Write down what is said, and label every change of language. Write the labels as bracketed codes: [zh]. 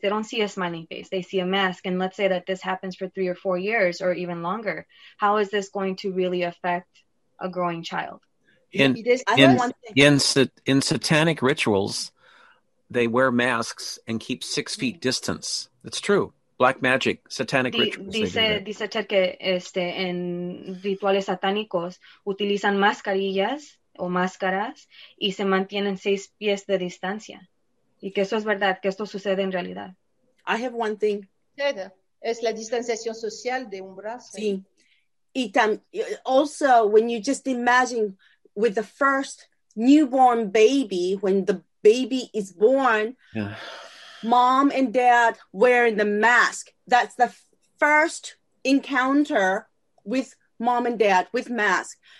[en] They don't see a smiling face. They see a mask. And let's say that this happens for 3 or 4 years or even longer. How is this going to really affect a growing child? In satanic rituals, they wear masks and keep 6 feet distance. It's true. Black magic, satanic rituals. [es] Dice Ted que en rituales satánicos utilizan mascarillas o máscaras y se mantienen 6 pies de distancia. Y que eso es verdad, que esto sucede en realidad. [en] I have one thing. [es] Es la distanciación social de un brazo. Sí. [en] Y also, when you just imagine with the first newborn baby, when the baby is born, mom and dad wearing the mask. That's the first encounter with mom and dad with mask.